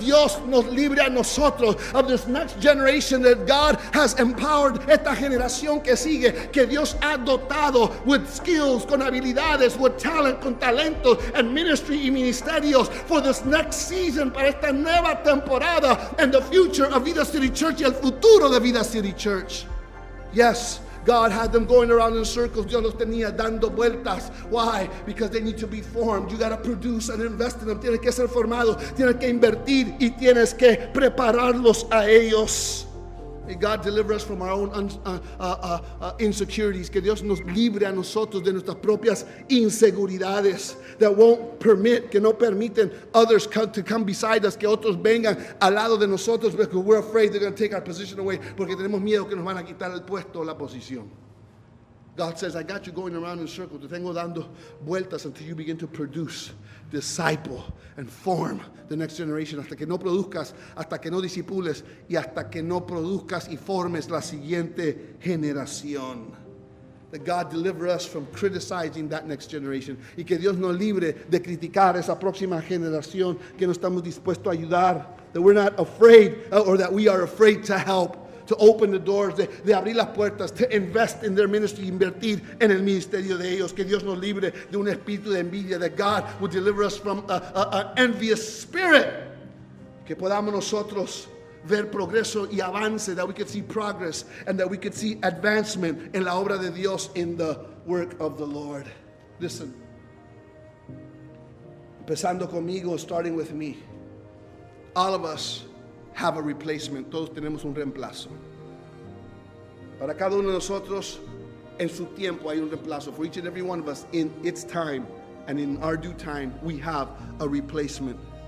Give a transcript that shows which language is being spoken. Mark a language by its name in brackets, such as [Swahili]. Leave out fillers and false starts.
[Spanish] Dios nos libre a nosotros [English] of this next generation that God has empowered, [Spanish] esta generación que sigue, que Dios ha dotado [English] with skills, [Spanish] con habilidades, [English] with talent, [Spanish] con talentos, [English] and ministry [Spanish] y ministerios [English] for this next season, [Spanish] para esta nueva temporada, and the future of Vida City Church, y el futuro de Vida City Church. [English] Yes, God had them going around in circles. [Spanish] Dios los tenía dando vueltas. [English] Why? Because they need to be formed. You got to produce and invest in them. [Spanish] Tienes que ser formado. Tienes que invertir y tienes que prepararlos a ellos. [English] May God deliver us from our own insecurities. [Spanish] Que Dios nos libre a nosotros de nuestras propias inseguridades. [English] That won't permit, [Spanish] que no permiten [English] others come, to come beside us. [Spanish] Que otros vengan al lado de nosotros. [English] Because we're afraid they're going to take our position away. [Spanish] Porque tenemos miedo que nos van a quitar el puesto o la posición. [English] God says, I got you going around in circles. [Spanish] Te tengo dando vueltas [English] until you begin to produce, disciple, and form the next generation. [Spanish] Hasta que no produzcas, hasta que no disipules, y hasta que no produzcas y formes la siguiente generación. [English] That God deliver us from criticizing that next generation. [Spanish] Y que Dios nos libre de criticar esa próxima generación que no estamos dispuestos a ayudar. [English] That we're not afraid, or that we are afraid to help. To open the doors, [Spanish] de abrir las puertas, [English] to invest in their ministry, [Spanish] invertir en el ministerio de ellos. Que Dios nos libre de un espíritu de envidia, [English] that God will deliver us from an envious spirit. [Spanish] Que podamos nosotros ver progreso y avance, [English] that we could see progress and that we could see advancement [Spanish] en la obra de Dios, [English] in the work of the Lord. Listen, [Spanish] empezando conmigo, [English] starting with me, all of us have a replacement. [Spanish] Todos tenemos un reemplazo. Para cada uno de nosotros, en su tiempo hay un reemplazo. [English] For each and every one of us, in its time and in our due time, we have a replacement.